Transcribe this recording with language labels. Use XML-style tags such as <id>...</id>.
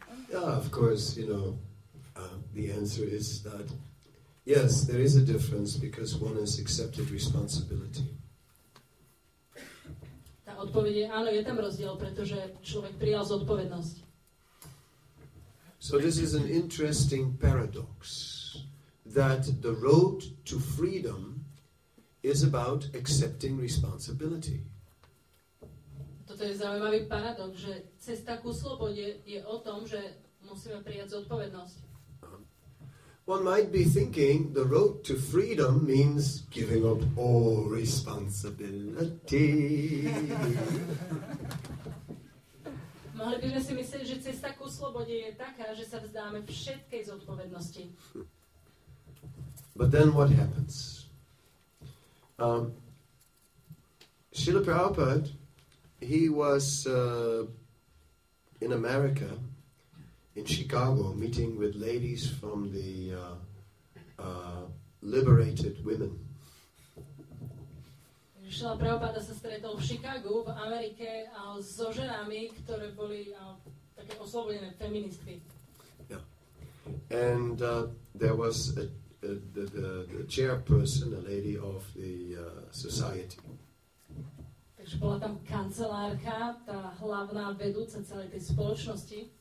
<en>Yeah, of course, you know, the answer is that yes, there is a difference because one has accepted responsibility.</en> <sk>Tá odpoveď je, áno, je tam rozdiel, pretože človek prijal zodpovednosť.</sk> <en>So this is an interesting paradox that the road to freedom is about accepting responsibility.</en> <sk>to je zaujímavý paradox, že cesta ku slobode je o tom, že musíme prijať zodpovednosť.</sk> <en>One might be thinking the road to freedom means giving up all responsibility.</en> <sk>Mohli by sme si myslieť, že cesta ku slobode je taká, že sa vzdáme všetkej zodpovednosti.</sk> <en>But then what happens? Srila Prabhupada, he was in America, in Chicago, meeting with ladies from the liberated women.</en> <sk>Srila Prabhupada sa stretol v Chicago, v Amerike, so ženami, ktoré boli také oslobodené feministky.</sk> <en>Yeah. And there was the chairperson, a lady of the society.</en> <sk>Takže bola tam kancelárka, tá hlavná vedúca celej tej spoločnosti.</sk>